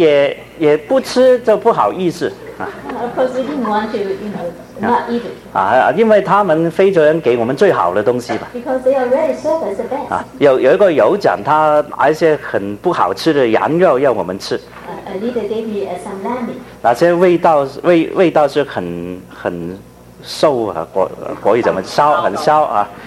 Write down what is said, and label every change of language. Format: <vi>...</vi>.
<zh>但是我们也不吃就不好意思。</zh> <en>Of course, we didn't want to, not eat it.</en> <zh>因为他们非洲人给我们最好的东西吧。</zh> <en>Because they already serve us the best.</en> <zh>有一个酋长，他拿一些很不好吃的羊肉让我们吃。</zh> <en>A leader gave me some lamb meat.</en> <zh>那些味道是很馊啊，国语怎么烧？很烧啊。</zh>